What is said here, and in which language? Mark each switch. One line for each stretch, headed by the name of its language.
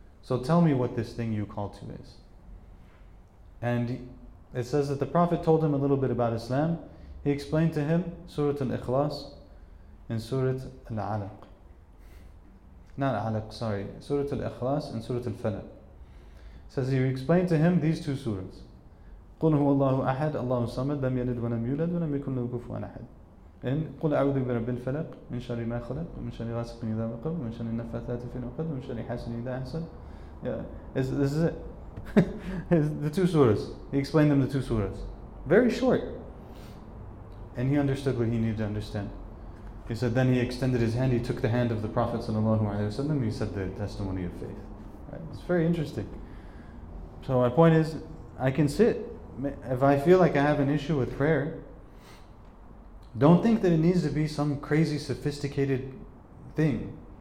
English: So tell me what this thing you call to is. And it says that the Prophet told him a little bit about Islam. He explained to him Surah Al-Ikhlas and Surah Al-Alaq. Not Alaq, sorry. Surah Al-Ikhlas and Surah Al-Falaq. Says he explained to him these two surahs.
Arabic: قُلْ هُوَ اللَّهُ أَحَدْ اللَّهُ الصَّمَدْ لَمْ يَلِدْ وَلَمْ يُولَدْ وَلَمْ يَكُنْ لَهُ كُفُوًا أَحَدٌ. إن قل أعوذ برب الفلق من شر ما خلق ومن شر غاسق إذا وقب ومن شر النفاثات في العقد ومن شر حاسد إذا حسد.
English: Yeah, this is it. The two surahs. He explained them, the two surahs. Very short. And he understood what he needed to understand. He said, then he extended his hand, he took the hand of the Prophet sallallahu alaihi wasallam, he said the testimony of faith. Right? It's very interesting. So my point is, I can sit. If I feel like I have an issue with prayer, don't think that it needs to be some crazy sophisticated thing.